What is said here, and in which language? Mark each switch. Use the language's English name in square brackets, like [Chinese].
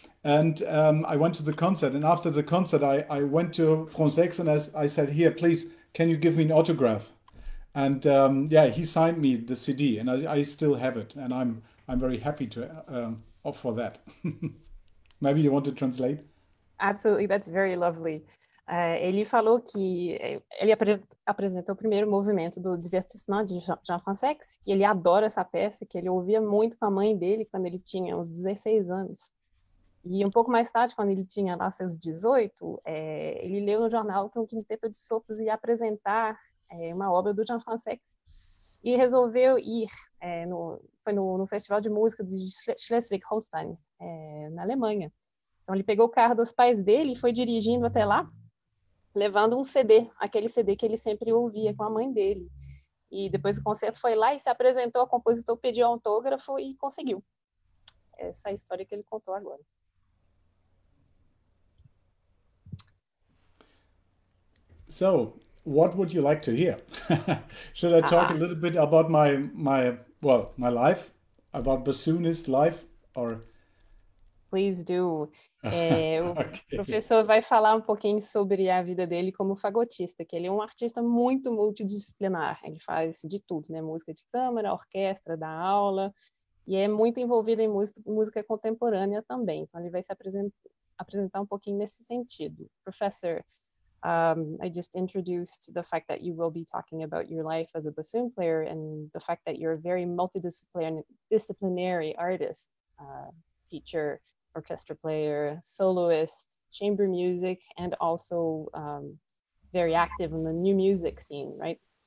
[English] And I went to the concert, and after the concert, I went to Françaix, and I said, here, please, can you give me an autograph? And he signed me the CD, and I still have it, and I'm very happy to offer that. Maybe you want to translate? Absolutely, that's very lovely. [Portuguese] Ele falou que ele apresentou o primeiro movimento do Divertissement de Jean Françaix, que ele adora essa peça, que ele ouvia muito com a mãe dele quando ele tinha uns 16 anos. E um pouco mais tarde, quando ele tinha lá seus 18, ele leu no jornal que um quinteto de sopros ia apresentar uma obra do Jean Françaix e resolveu ir, no festival de música de Schleswig-Holstein, na Alemanha. Então ele pegou o carro dos pais dele e foi dirigindo até lá, levando um CD, aquele CD que ele sempre ouvia com a mãe dele. E depois do concerto foi lá e se apresentou ao compositor, pediu autógrafo e conseguiu. Essa é a história que ele contou agora. [English] So, what would you like to hear? Should I talk a little bit about my life, about bassoonist life, or? Please do. [Portuguese] Okay. O professor vai falar um pouquinho sobre a vida dele como fagotista, que ele é um artista muito multidisciplinar. Ele faz de tudo, né? Música de câmara, orquestra, dá aula, e é muito envolvido em música contemporânea também. Então, ele vai se apresentar um pouquinho nesse sentido. [English] Professor, I just introduced the fact that you will be talking about your life as a bassoon player and the fact that you're a very multidisciplinary artist, teacher, orchestra player, soloist, chamber music, and also very active in the new music scene, right?